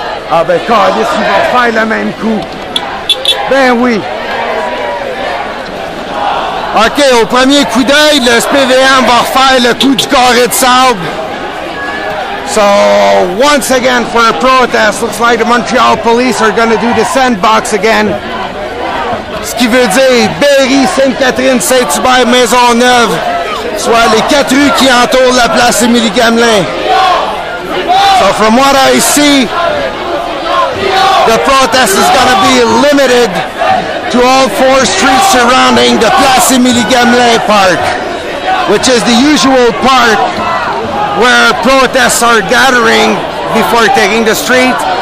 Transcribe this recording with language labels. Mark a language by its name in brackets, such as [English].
[French] Ah ben, Cardis, ils vont faire le même coup. Ben oui. OK, au premier coup d'œil, le SPVM va refaire le coup du carré de sable. [English] So, once again for a protest, looks like the Montreal police are going to do the sandbox again. [French] Ce qui veut dire Berry, Sainte-Catherine, Saint-Hubert, Maisonneuve, soit les quatre rues qui entourent la place Émilie-Gamelin. [English] So, from what I see, the protest is going to be limited to all four streets surrounding the Place Émilie-Gamelin Park, which is the usual park where protests are gathering before taking the street.